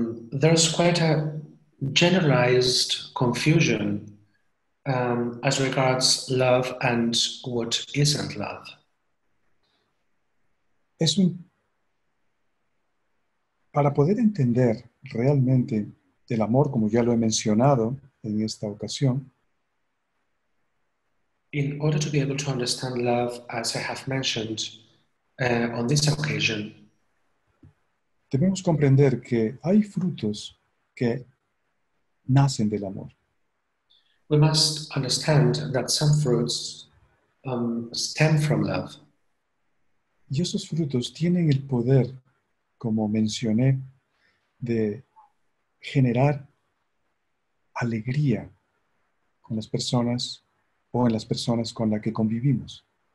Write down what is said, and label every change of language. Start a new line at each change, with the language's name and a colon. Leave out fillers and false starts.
English: There's quite a generalized confusion as regards love and what isn't love.
Spanish: Para poder entender realmente el amor, como ya lo he mencionado en esta ocasión,
English: in order to be able to understand love, as I have mentioned on this occasion,
Spanish: debemos comprender que hay frutos que nacen del amor.
English: We must understand that some fruits stem from love.
Spanish: Y esos frutos tienen el poder, como mencioné, de generar alegría con las personas o en las personas con las que convivimos.